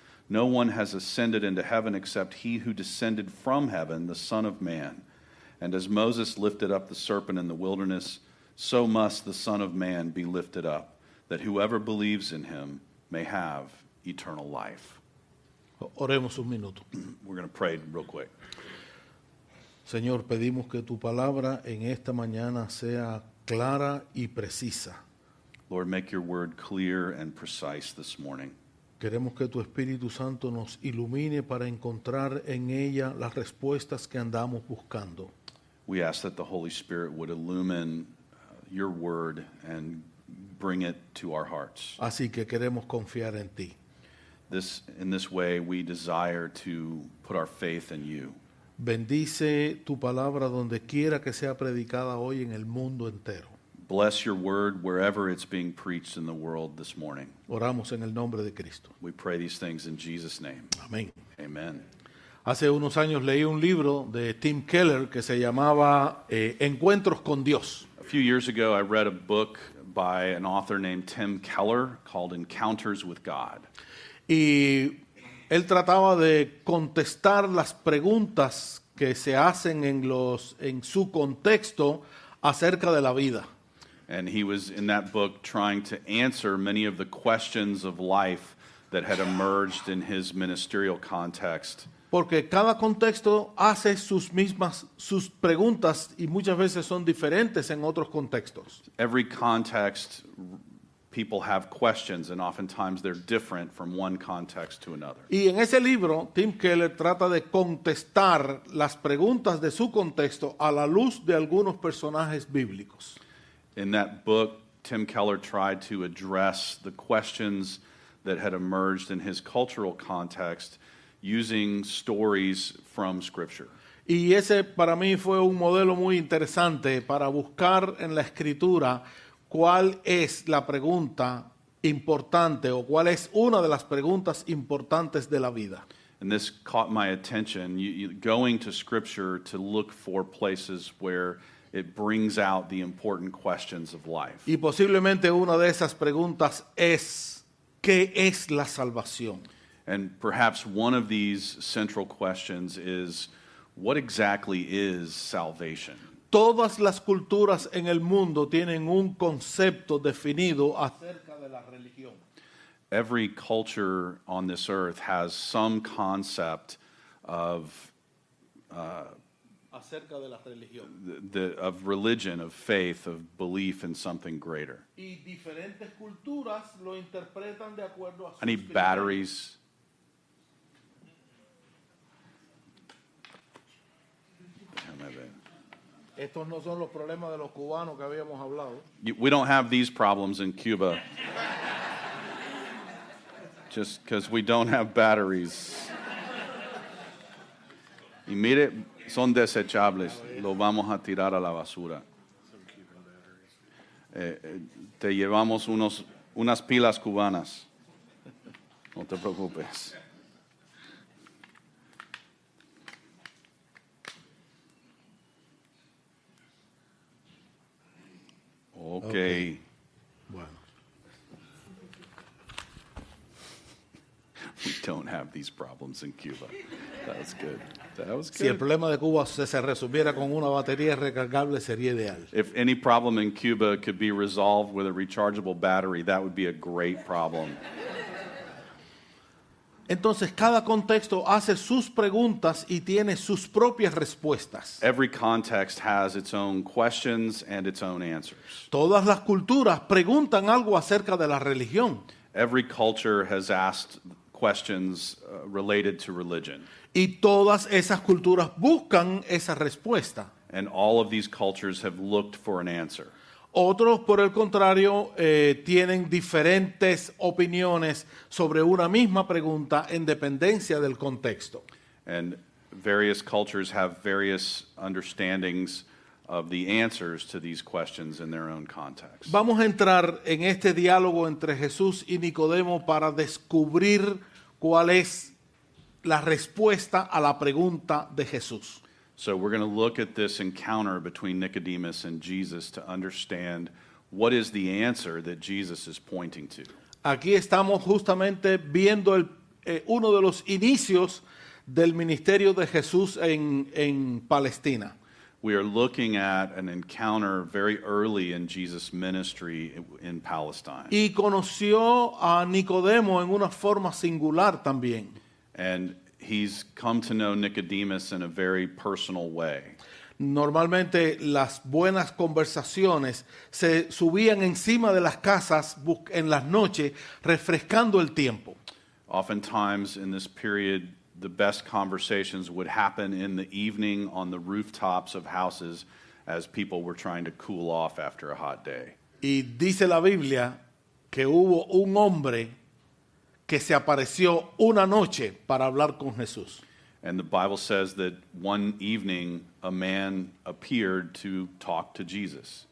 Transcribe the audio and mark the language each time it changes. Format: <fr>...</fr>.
<en>No one has ascended into heaven except he who descended from heaven, the Son of Man. And as Moses lifted up the serpent in the wilderness, so must the Son of Man be lifted up, that whoever believes in him may have eternal life.</en> <es>Oremos un minuto.</es> <en>We're going to pray real quick.</en> <es>Señor, pedimos que tu palabra en esta mañana sea clara y precisa.</es> <en>Lord, make your word clear and precise this morning.</en> <es>Queremos que tu Espíritu Santo nos ilumine para encontrar en ella las respuestas que andamos buscando.</es> <en>We ask that the Holy Spirit would illumine your word and bring it to our hearts.</en> <es>Así que queremos confiar en ti.</es> <en>In this way, we desire to put our faith in you.</en> <es>Bendice tu palabra donde quiera que sea predicada hoy en el mundo entero.</es> <en>Bless your word wherever it's being preached in the world this morning.</en> <es>Oramos en el nombre de Cristo.</es> <en>We pray these things in Jesus' name.</en> <es>Amén.</es> <en>Amen.</en> <es>Hace unos años leí un libro de Tim Keller que se llamaba Encuentros con Dios.</es> <en>A few years ago, I read a book by an author named Tim Keller called Encounters with God.</en> <es>Y él trataba de contestar las preguntas que se hacen en su contexto acerca de la vida.</es> <en>And he was in that book trying to answer many of the questions of life that had emerged in his ministerial context.</en> <es>Porque cada contexto hace sus preguntas y muchas veces son diferentes en otros contextos.</es> <en>Every context, people have questions, and oftentimes they're different from one context to another.</en> <es>Y en ese libro, Tim Keller trata de contestar las preguntas de su contexto a la luz de algunos personajes bíblicos.</es> <en>In that book, Tim Keller tried to address the questions that had emerged in his cultural context using stories from Scripture.</en> <es>Y ese para mí fue un modelo muy interesante para buscar en la Escritura cuál es la pregunta importante o cuál es una de las preguntas importantes de la vida.</es> <en>And this caught my attention, going to Scripture to look for places where it brings out the important questions of life.</en> <es>Y posiblemente una de esas preguntas es, ¿qué es la salvación?</es> <en>And perhaps one of these central questions is, what exactly is salvation?</en> <es>Todas las culturas en el mundo tienen un concepto definido acerca de la religión.</es> <en>Every culture on this earth has some concept of</en> <es>acerca de la religión.</es> <en>Of religion, of faith, of belief in something greater.</en> <es>Y diferentes culturas lo interpretan de acuerdo a sus criterios.</es> <en>Any batteries?</en> <es>Estos no son los problemas de los cubanos que habíamos hablado.</es> <en>We don't have these problems in Cuba. Just because we don't have batteries.</en> <es>Y mire, son desechables. Los vamos a tirar a la basura. Te llevamos unas pilas cubanas. No te preocupes.</es> <en>Okay.</en> <es>Bueno.</es> <en>We don't have these problems in Cuba. That's good. That was good.</en> <es>Si el problema de Cuba se resolviera con una batería recargable sería ideal.</es> <en>If any problem in Cuba could be resolved with a rechargeable battery, that would be a great problem.</en> <es>Entonces, cada contexto hace sus preguntas y tiene sus propias respuestas.</es> <en>Every context has its own questions and its own answers.</en> <es>Todas las culturas preguntan algo acerca de la religión.</es> <en>Every culture has asked questions related to religion.</en> <es>Y todas esas culturas buscan esa respuesta.</es> <en>And all of these cultures have looked for an answer.</en> <es>Otros, por el contrario, tienen diferentes opiniones sobre una misma pregunta en dependencia del contexto.</es> <en>And various cultures have various understandings of the answers to these questions in their own context.</en> <es>Vamos a entrar en este diálogo entre Jesús y Nicodemo para descubrir cuál es la respuesta a la pregunta de Jesús.</es> <en>So we're going to look at this encounter between Nicodemus and Jesus to understand what is the answer that Jesus is pointing to.</en> <es>Aquí estamos justamente viendo uno de los inicios del ministerio de Jesús en Palestina.</es> <en>We are looking at an encounter very early in Jesus' ministry in Palestine.</en> <es>Y conoció a Nicodemo en una forma singular también.</es> <en>And he's come to know Nicodemus in a very personal way.</en> <es>Normalmente las buenas conversaciones se subían encima de las casas en las noches refrescando el tiempo.</es> <en>Oftentimes in this period the best conversations would happen in the evening on the rooftops of houses as people were trying to cool off after a hot day.</en> <es>Y dice la Biblia que hubo un hombre que se apareció una noche para hablar con Jesús.</es> <en>And the Bible says that one evening a man appeared to talk to Jesus.</en>